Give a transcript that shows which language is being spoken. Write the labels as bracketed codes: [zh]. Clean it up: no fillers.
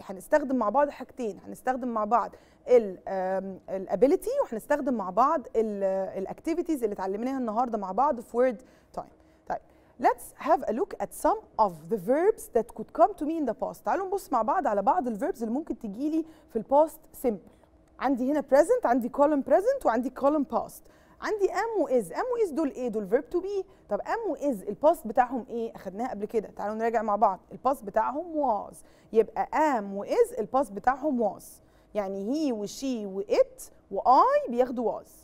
[ar] هنستخدم مع بعض حاجتين، هنستخدم مع بعض ال ability وهنستخدم مع بعض ال activities اللي اتعلمناها النهارده مع بعض في word time. [en] طيب let's have a look at some of the verbs that could come to me in the past. [ar] تعالوا نبص مع بعض على بعض ال verbs اللي ممكن تجي لي في ال past simple. عندي هنا present، عندي column present وعندي column past. عندي am و is. am و is دول ايه؟ دول verb to be. طب am و is الباست بتاعهم ايه؟ اخدناها قبل كده، تعالوا نراجع مع بعض. الباست بتاعهم was. يبقى am و is الباست بتاعهم was، يعني he و she و it و I بياخدوا was.